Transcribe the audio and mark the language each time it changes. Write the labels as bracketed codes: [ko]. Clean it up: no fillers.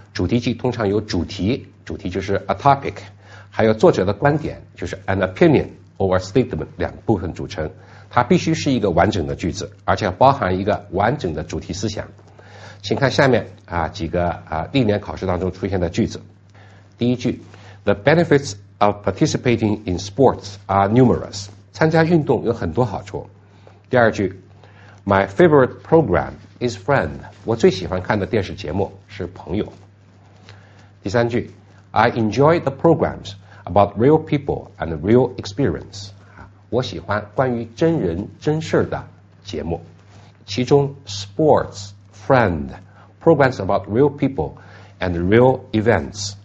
[zh] 主题句通常有主题，主题就是 [en] a topic， [zh] 还有作者的观点，就是 [en] an opinion or statement， [zh] 两部分组成。它必须是一个完整的句子，而且包含一个完整的主题思想。请看下面几个历年考试当中出现的句子。第一句， [en] The benefits of participating in sports are numerous. [zh] 参加运动有很多好处。第二句， [en] My favorite program is Friend. [zh] 我最喜欢看的电视节目是朋友。第三句， [en] I enjoy the programs about real people and real experience. [zh] 我喜欢关于真人真事的节目。其中 [en] sports, friend, programs about real people and real events.